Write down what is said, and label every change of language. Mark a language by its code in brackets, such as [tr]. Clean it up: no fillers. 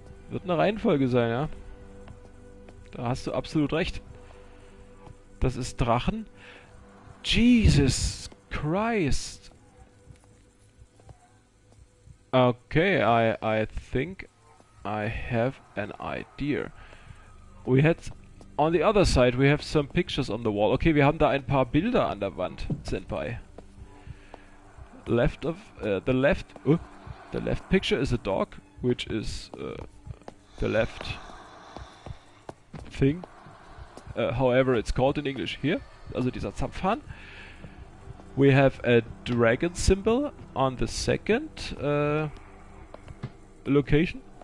[de] Wird eine Reihenfolge sein, ja? Da hast du absolut recht. Das ist Drachen. [en] Jesus Christ! Okay, I think I have an idea. We had... On the other side we have some pictures on the wall. [de] Okay, wir haben da ein paar Bilder an der Wand, Senpai. [en] Left of... the left picture is a dog, which is... the left thing, however it's called in English. Here, [de] also dieser Zapfhahn. [en] We have a dragon symbol on the second location.